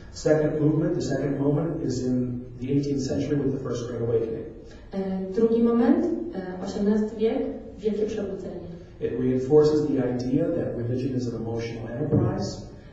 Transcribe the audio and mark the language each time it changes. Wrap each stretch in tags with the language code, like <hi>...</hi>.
<en>Second movement, the second moment is in the 18th century with the first great awakening.</en> <pl>Drugi moment, XVIII wiek, wielkie przebudzenie.</pl> <en>It reinforces the idea that religion is an emotional enterprise.</en>